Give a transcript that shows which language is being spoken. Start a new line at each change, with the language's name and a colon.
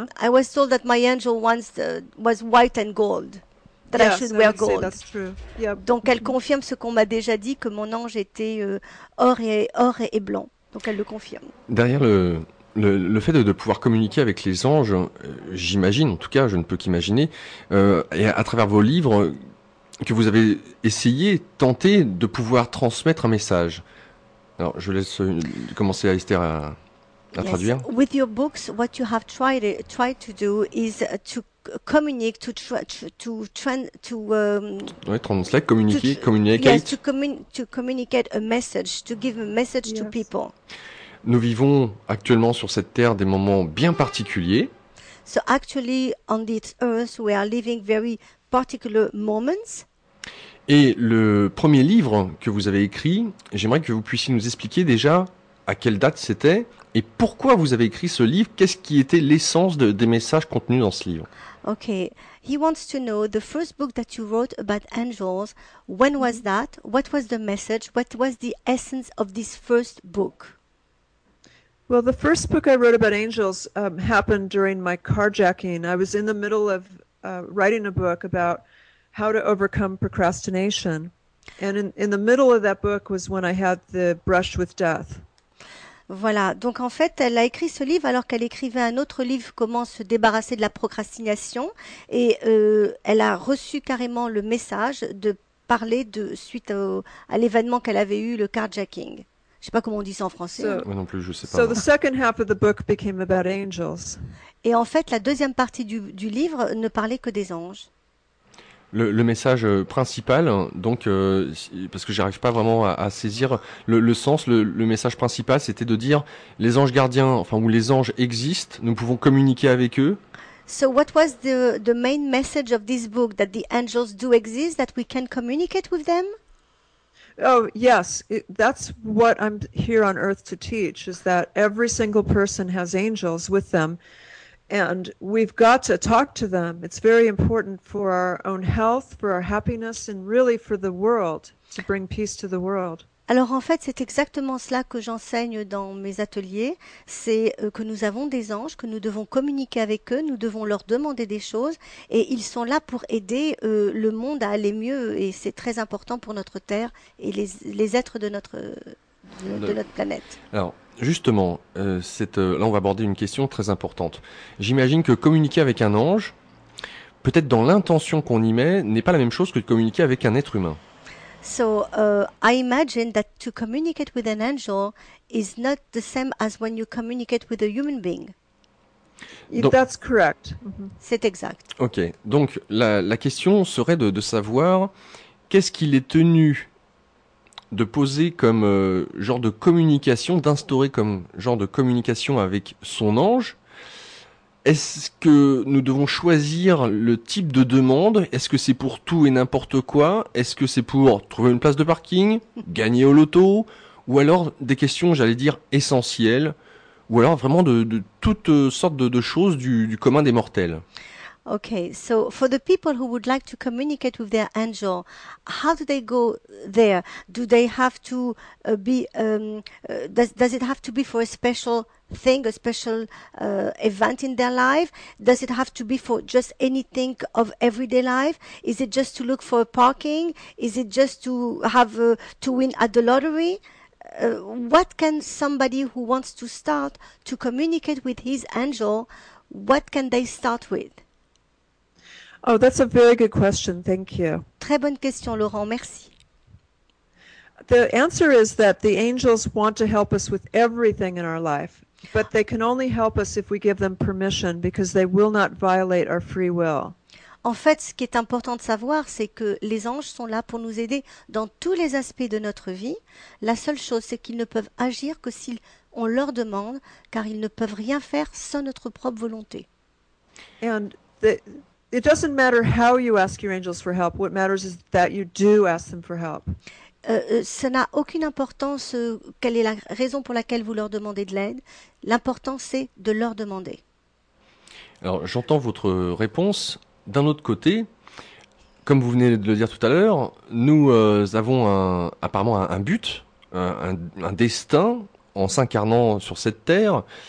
English: I was told that my angel once was white and gold. That yes, I should wear gold. That's true. Yeah.
French: Donc elle confirme ce qu'on m'a déjà dit, que mon ange était or et blanc. Donc elle le confirme. Derrière le fait de pouvoir communiquer avec les anges, j'imagine, en tout cas je ne peux qu'imaginer, et à travers vos livres, que vous avez essayé, tenté de pouvoir transmettre un message. Alors je laisse commencer à Esther à... à traduire.
English: Yes. With your books, what you have tried to do is to communicate, to communicate a message, to give a message to people.
French: Nous vivons actuellement sur cette terre des moments bien particuliers.
English: So actually, on this earth, we are living very particular moments.
French: Et le premier livre que vous avez écrit, j'aimerais que vous puissiez nous expliquer déjà à quelle date c'était et pourquoi vous avez écrit ce livre. Qu'est-ce qui était l'essence des messages contenus dans ce livre?
English: Okay, he wants to know the first book that you wrote about angels. When was that? What was the message? What was the essence of this first book? Well, the first book I wrote about angels happened during my carjacking. I was in the middle of writing a book about how to overcome procrastination. And in the middle of that book was when I had the brush with death.
French: Voilà. Donc en fait, elle a écrit ce livre alors qu'elle écrivait un autre livre, Comment se débarrasser de la procrastination. Et elle a reçu carrément le message de parler de suite à l'événement qu'elle avait eu, le carjacking. Je ne sais pas comment on dit ça en français. Moi non plus, je ne sais pas.
English: So the second half of the book became about angels.
French: Et en fait, la deuxième partie du livre ne parlait que des anges. Le message principal, donc, parce que je n'arrive pas vraiment à saisir le sens, le message principal, c'était de dire les anges gardiens, enfin, où les anges existent, nous pouvons communiquer avec eux.
English: So what was the main message of this book, that the angels do exist, that we can communicate with them? Oh yes, that's what I'm here on earth to teach, is that every single person has angels with them and we've got to talk to them. It's very important for our own health, for our happiness and really for the world, to bring peace to the world.
French: Alors en fait, c'est exactement cela que j'enseigne dans mes ateliers, c'est que nous avons des anges, que nous devons communiquer avec eux, nous devons leur demander des choses et ils sont là pour aider le monde à aller mieux et c'est très important pour notre Terre et les êtres de notre planète. Alors justement, là on va aborder une question très importante. J'imagine que communiquer avec un ange, peut-être dans l'intention qu'on y met, n'est pas la même chose que de communiquer avec un être humain.
English: So I imagine that to communicate with an angel is not the same as when you communicate with a human being. That's correct.
French: C'est exact. Ok, donc la question serait de savoir qu'est-ce qu'il est tenu de poser comme genre de communication, d'instaurer comme genre de communication avec son ange. Est-ce que nous devons choisir le type de demande? Est-ce que c'est pour tout et n'importe quoi? Est-ce que c'est pour trouver une place de parking, gagner au loto? Ou alors des questions, j'allais dire, essentielles? Ou alors vraiment de toutes sortes de choses du commun des mortels?
English: Okay, so for the people who would like to communicate with their angel, how do they go there? Do they have to does it have to be for a special thing, a special event in their life? Does it have to be for just anything of everyday life? Is it just to look for a parking? Is it just to have to win at the lottery? What can somebody who wants to start to communicate with his angel, what can they start with? Oh, that's a very good question. Thank you.
French: Très bonne question, Laurent. Merci.
English: The answer is that the angels want to help us with everything in our life, but they can only help us if we give them permission because they will not violate our free will.
French: En fait, ce qui est important de savoir, c'est que les anges sont là pour nous aider dans tous les aspects de notre vie. La seule chose, c'est qu'ils ne peuvent agir que si on leur demande, car ils ne peuvent rien faire sans notre propre volonté.
English: And it doesn't matter how you ask your angels for help. What matters is that you do ask them for help.
French: Ça n'a aucune importance quelle est la raison pour laquelle vous leur demandez de l'aide. L'important, c'est de leur demander. Alors, j'entends votre réponse. D'un autre côté, comme vous venez de le dire tout à l'heure, nous avons apparemment un but, un destin en s'incarnant sur cette terre.